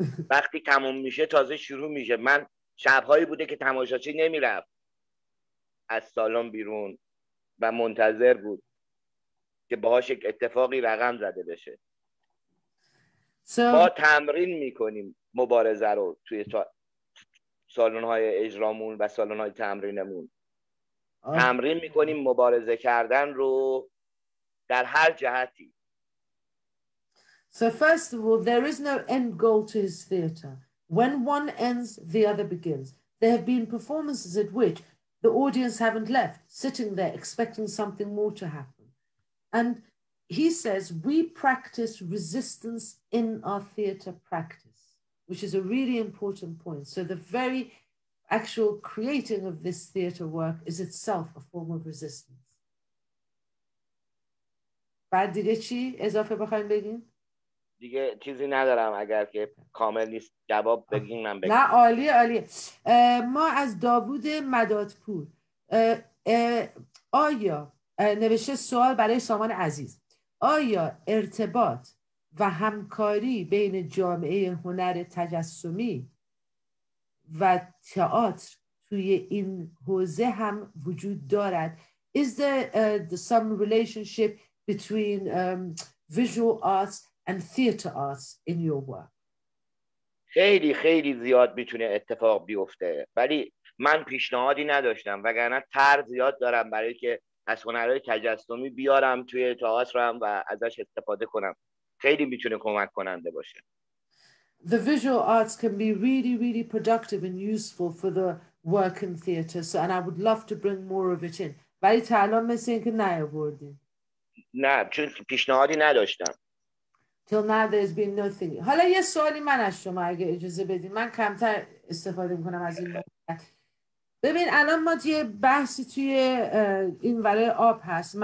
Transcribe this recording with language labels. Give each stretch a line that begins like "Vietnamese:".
Persian: وقتی تموم میشه تازه شروع میشه. من شبهایی بوده که تماشاچی نمیرفت از سالن بیرون و منتظر بود که باهاش یک اتفاقی رقم زده بشه. ما تمرین میکنیم مبارزه رو توی سالن‌های اجرامون و سالن‌های تمرینمون تمرین می‌کنیم مبارزه کردن رو در هر جهتی.
English: So first of all, there is no end goal to his theater. When one ends, the other begins. There have been performances at which the audience haven't left, sitting there expecting something more to happen. And he says, we practice resistance in our theater practice, which is a really important point. So the very actual creating of this theater work is itself a form of resistance.
Persian: بعد دیگه چی اضافه بخواییم بگیم؟ دیگه چیزی ندارم اگر که کامل نیست جواب بگیم من بگیم. نه عالیه عالیه. ما از داوود مدادپور آیا نوشته سوال برای سامان عزیز. آیا ارتباط و همکاری بین جامعه هنر تجسمی و تئاتر توی این حوزه هم وجود دارد؟
English: Is there some relationship between visual arts and theater arts in your work?
Persian: خیلی خیلی زیاد میتونه اتفاق بیفته. ولی من پیشنهادی نداشتم وگرنه طرز زیاد دارم برای که از هنرهای تجسمی بیارم توی تئاتر هم و ازش استفاده کنم. خیلی میتونه کمک کننده باشه.
English: The visual arts can be really, really productive and useful for the work in theatre. So, and I would love to bring more of it in.
Persian: ولی تا الان مثل این که نیاوردی. نه، چون پیشنهادی نداشتم.
English: Till now there's been nothing.
Persian: حالا یه سوالی من از شما اگه اجازه بدین. من کمتر استفاده میکنم از این موقعیت. ببین الان ما یه بحثی توی این ورای آب هست.